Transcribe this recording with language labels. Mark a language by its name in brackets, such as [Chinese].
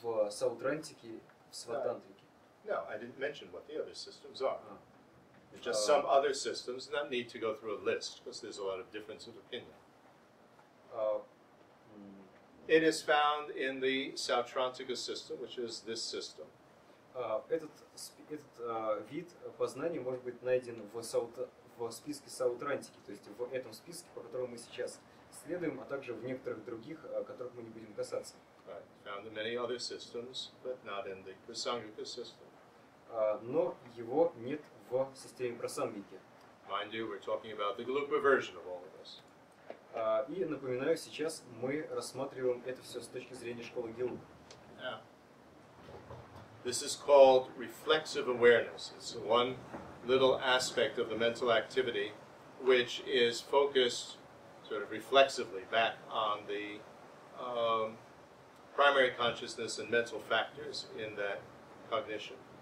[Russian] В Саутрантике, в Сватантрике. [English] No, I didn't mention what the other systems are. Just some other systems, not need to go through a list, because there's a lot of difference of opinion. It is found in the Sautrantika system, which is this system. [Russian] Этот вид познания может быть найден в списке Саутрантики, то есть в этом списке, по которому мы сейчас следуем, а также в некоторых других, которых мы не будем касаться. [English] Right. Found in many other systems, but not in the Prasangika system. [Russian] Но его нет в системе Прасангики. [English] Mind you, we're talking about the Galupa version of all of this. [Russian] И напоминаю, сейчас мы рассматриваем это все с точки зрения школы Гелуп. [English] This is called reflexive awareness. It's one little aspect of the mental activity which is focused sort of reflexively back on the primary consciousness and mental factors in that cognition.